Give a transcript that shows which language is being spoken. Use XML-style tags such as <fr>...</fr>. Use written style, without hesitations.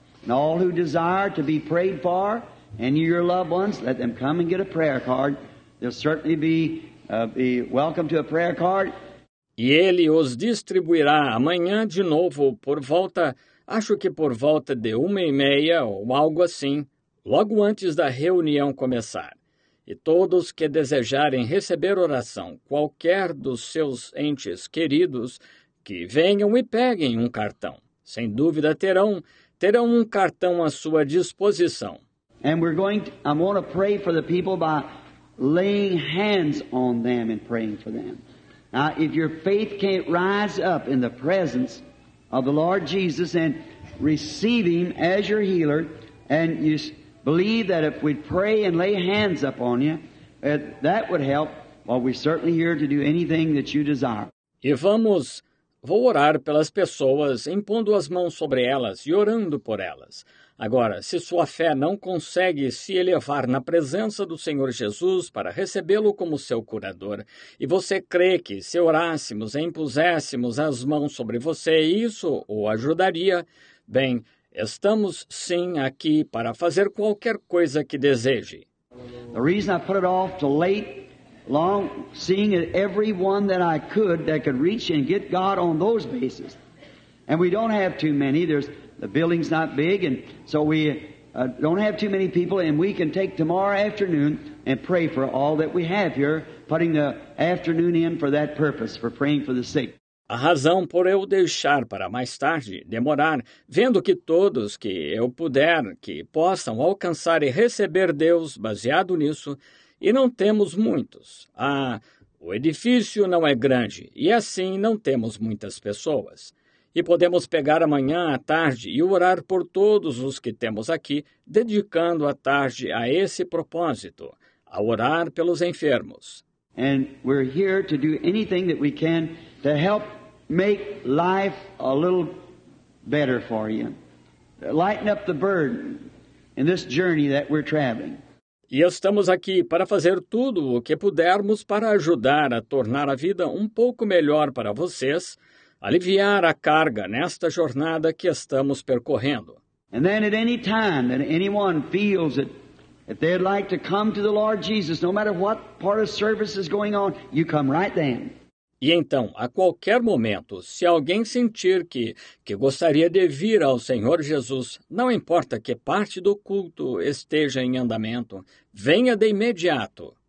<en>And all who desire to be prayed for, and your loved ones, let them come and get a prayer card. They'll certainly be welcome to a prayer card.</en> <pt>E ele os distribuirá amanhã de novo por volta, acho que por volta de 1:30 ou algo assim, logo antes da reunião começar. E todos que desejarem receber oração, qualquer dos seus entes queridos, que venham e peguem cartão. Sem dúvida terão cartão à sua disposição.</pt> <en>And I'm going to pray for the people by laying hands on them and praying for them. Now, if your faith can't rise up in the presence of the Lord Jesus and receive Him as your healer, and you believe that if we'd pray and lay hands up on you, that would help, well, we're certainly here to do anything that you desire.</en> <pt>E vamos Vou orar pelas pessoas, impondo as mãos sobre elas e orando por elas. Agora, se sua fé não consegue se elevar na presença do Senhor Jesus para recebê-lo como seu curador, e você crê que se orássemos e impuséssemos as mãos sobre você, isso o ajudaria, bem, estamos sim aqui para fazer qualquer coisa que deseje.</pt> <en>The reason I put it off to late, long, seeing everyone that could reach and get God on those bases. And we don't have too many. The building's not big, and so we don't have too many people, and we can take tomorrow afternoon and pray for all that we have here, putting the afternoon in for that purpose, for praying for the sick.</en> <pt>A razão por eu deixar para mais tarde demorar, vendo que todos que eu puder, que possam alcançar e receber Deus baseado nisso, e não temos muitos. Ah, o edifício não é grande, e assim não temos muitas pessoas. E podemos pegar amanhã à tarde e orar por todos os que temos aqui, dedicando a tarde a esse propósito, a orar pelos enfermos.</pt> <en>And we're here to do anything that we can to help make life a little better for you. Lighten up the burden in this journey that we're traveling.</en> <pt>E estamos aqui para fazer tudo o que pudermos para ajudar a tornar a vida um pouco melhor para vocês, aliviar a carga nesta jornada que estamos percorrendo.</pt> <en>And then at any time that anyone feels that if they'd like to come to the Lord Jesus, no matter what part of service is going on, you come right then.</en> <pt>E então, a qualquer momento, se alguém sentir que gostaria de vir ao Senhor Jesus, não importa que parte do culto esteja em andamento, venha de imediato.</pt>